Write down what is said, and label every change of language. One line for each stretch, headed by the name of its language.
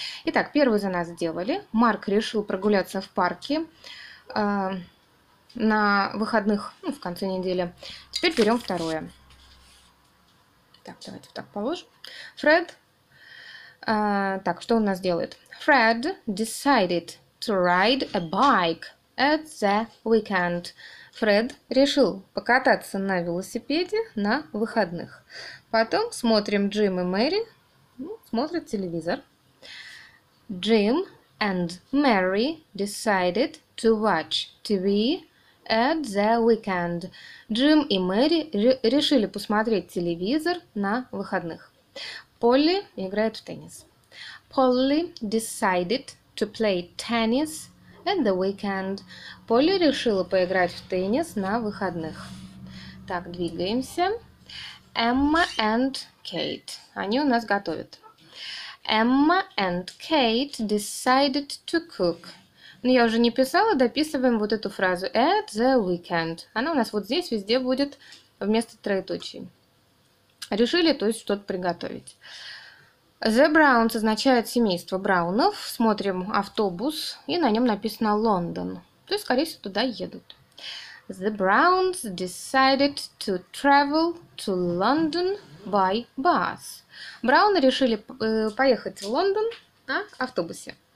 Russian: Итак, первый за нас сделали. Марк решил прогуляться в парке на выходных, ну, в конце недели. Теперь берем второе. Так, давайте вот так положим. Фред, так, что он у нас делает?
English: Фред decided to ride a bike at the weekend.
Russian: Фред решил покататься на велосипеде на выходных. Потом смотрим Джим и Мэри. Ну, смотрят телевизор.
English: Джим and Мэри decided to watch TV at the weekend.
Russian: Джим и Мэри решили посмотреть телевизор на выходных. Полли играет в теннис.
English: Полли decided to play tennis at the weekend.
Russian: Полли решила поиграть в теннис на выходных. Так, двигаемся.
English: Эмма and Kate.
Russian: Они у нас готовят.
English: Эмма and Kate decided to cook.
Russian: Но я уже не писала, дописываем вот эту фразу.
English: At the weekend.
Russian: Она у нас вот здесь везде будет вместо троеточий. Решили, то есть, что-то приготовить. The Browns означает семейство Браунов. Смотрим автобус, и на нем написано London. То есть, скорее всего, туда едут.
English: The Browns decided to travel to London by bus.
Russian: Брауны решили поехать в Лондон на автобусе.